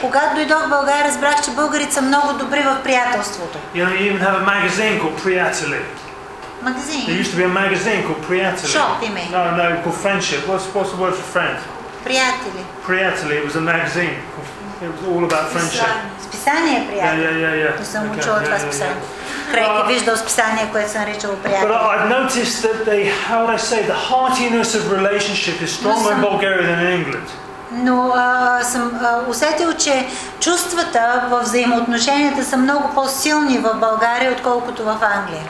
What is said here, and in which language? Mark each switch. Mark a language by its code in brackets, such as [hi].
[bg] когато дойдох в България, разбрах, че българите са много добри в приятелството. [en] You know, you even have a magazine called Приятели. [bg] Магазин. [en] There used to be a magazine called Приятели. Shopping. No, called Friendship. What's the word for friend? [bg] Приятели. [en] Приятели, it was a magazine. It was all about friendship. [bg] Списание Приятели. [en] Yeah. [bg] Не съм учила това списание. Преки виждал списание, което съм наричал приятел. [en] But I've noticed that they, how would I say, the heartiness of relationship is stronger in Bulgaria than in England. [bg] Но съм усетил, че чувствата в взаимоотношенията са много по-силни в България, отколкото в Англия.